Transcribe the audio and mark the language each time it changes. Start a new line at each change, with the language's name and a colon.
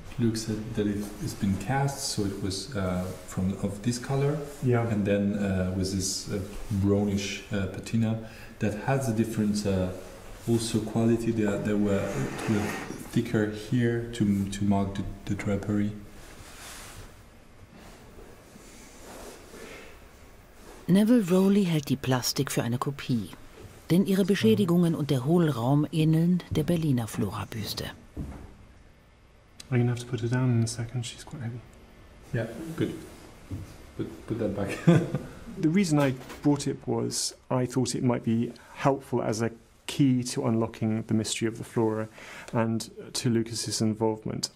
English: Luke said that it has been cast, so it was of this color. Yeah. And then with this brownish patina that has a different also quality. There were thicker here to mark the drapery.
German: Neville Rowley hält die Plastik für eine Kopie. Denn ihre Beschädigungen und der Hohlraum ähneln der Berliner Flora-Büste.
English: I'm gonna have to put it down in a second. She's quite heavy. Yeah, good. Put that back. The reason I brought it was I thought it might be helpful as a key to unlocking the mystery of the flora and to Lucas's involvement.